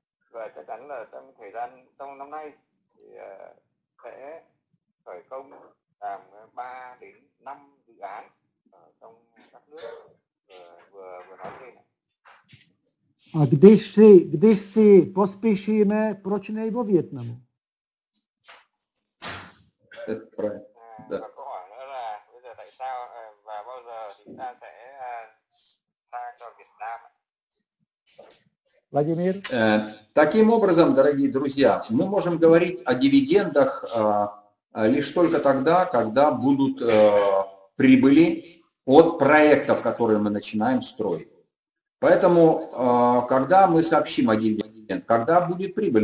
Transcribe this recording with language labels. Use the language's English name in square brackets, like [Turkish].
[Vietnamese] Và chắc chắn là trong thời gian trong năm nay thì sẽ khởi công làm 3 đến 5 dự án ở trong các nước vừa nói trên. [Czech] A když si pospíšíme, proč ne vo Vietnamu? [Vietnamese] Câu hỏi nữa là bây giờ tại sao và bao giờ chúng ta sẽ sang cho Việt Nam? [Russian] Владимир. Таким образом, дорогие друзья, мы можем говорить о дивидендах лишь только тогда, когда будут прибыли от проектов, которые мы начинаем строить. Поэтому, когда мы сообщим о дивидендах, когда будет прибыль?